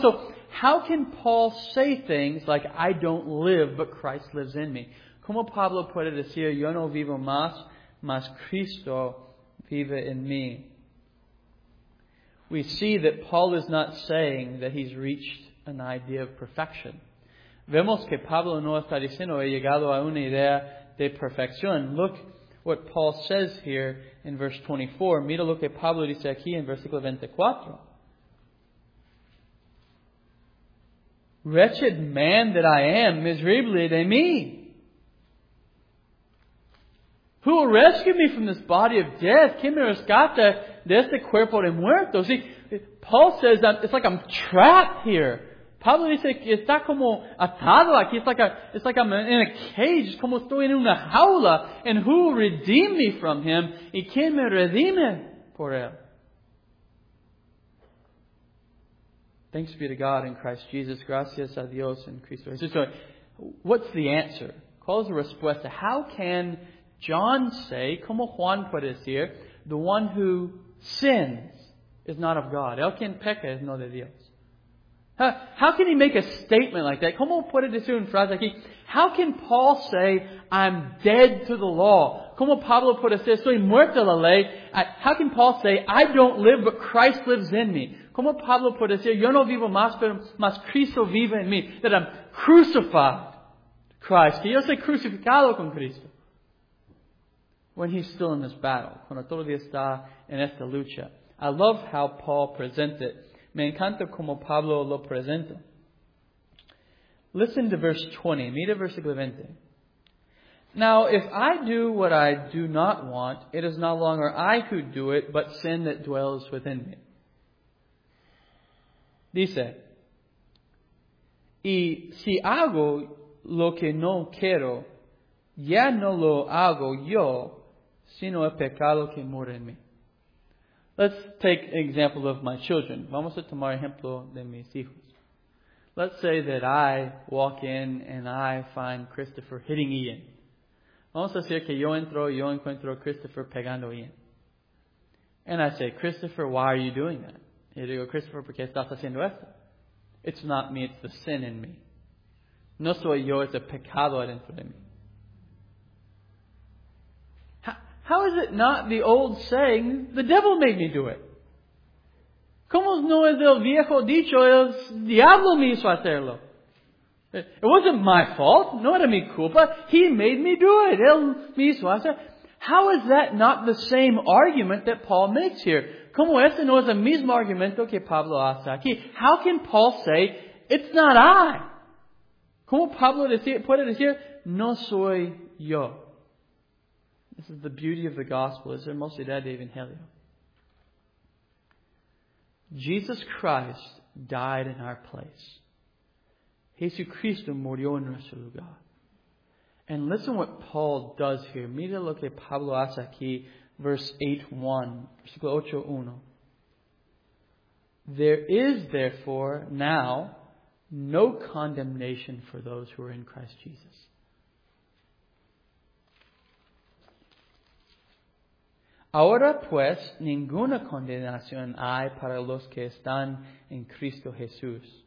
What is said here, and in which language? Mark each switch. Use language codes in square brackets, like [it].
[en] So, how can Paul say things like, I don't live, but Christ lives in me? [es] ¿Cómo Pablo puede decir, yo no vivo más, mas Cristo vive en mí? [en] We see that Paul is not saying that he's reached an idea of perfection. [es] Vemos que Pablo no está diciendo, he llegado a una idea de perfección. [en] Look what Paul says here in verse 24. [es] Mira lo que Pablo dice aquí en versículo 24. [en] Wretched man that I am, miserably de mí. Who will rescue me from this body of death? [es] ¿Quién me rescata de este cuerpo de muerto? [en] See, Paul says that it's like I'm trapped here. [es] Pablo dice que está como atado aquí. [en] It's like I'm in a cage. [es] Es como estoy en una jaula. [en] And who will redeem me from him? [es] ¿Y quién me redime por él? [en] Thanks be to God in Christ Jesus. [es] Gracias a Dios en Cristo Jesús. [en] So, what's the answer? [es] ¿Cuál es la respuesta? [en] How can John say, [es] como Juan puede decir, [en] the one who sins is not of God? [es] El quien peca es no de Dios. [en] How can he make a statement like that? [es] ¿Cómo puede decir una frase aquí? [en] How can Paul say, I'm dead to the law? [es] ¿Cómo Pablo puede decir, soy muerto a la ley? [en] How can Paul say, I don't live, but Christ lives in me? [es] ¿Cómo Pablo puede decir, yo no vivo más, pero más Cristo vive en mí? [en] That I'm crucified to Christ. [es] Que yo soy crucificado con Cristo. [en] When he's still in this battle. [es] Cuando todavía está en esta lucha. [en] I love how Paul presents it. [es] Me encanta como Pablo lo presenta. [en] Listen to verse 20. [es] Mira versículo 20. [en] Now, if I do what I do not want, it is no longer I who do it, but sin that dwells within me. [es] Dice, y si hago lo que no quiero, ya no lo hago yo, sino el pecado que mora en mí. [en] Let's take an example of my children. [es] Vamos a tomar ejemplo de mis hijos. [en] Let's say that I walk in and I find Christopher hitting Ian. [es] Vamos a decir que yo entro y yo encuentro a Christopher pegando Ian. [en] And I say, Christopher, why are you doing that? [es] Y digo, Christopher, ¿por qué estás haciendo esto? [en] It's not me, it's the sin in me. [es] No soy yo, es el pecado adentro de mí. [en] How is it not the old saying, the devil made me do it? [es] ¿Cómo no es el viejo dicho, el diablo me hizo hacerlo? [en] It wasn't my fault. [es] No era mi culpa. [en] He made me do it. [es] Él me hizo hacer. [en] How is that not the same argument that Paul makes here? [es] ¿Cómo ese no es el mismo argumento que Pablo hace aquí? [en] How can Paul say, it's not I? [es] ¿Cómo Pablo puede decir, no soy yo? [en] This is the beauty of the gospel. [es] Es hermosidad de Evangelio. [en] Jesus Christ died in our place. [es] Jesucristo murió en nuestro lugar. [en] And listen what Paul does here. [es] Mira lo que Pablo hace aquí, versículo 8:1. [en] There is therefore now no condemnation for those who are in Christ Jesus. [es] Ahora pues, ninguna condenación hay para los que están en Cristo Jesús.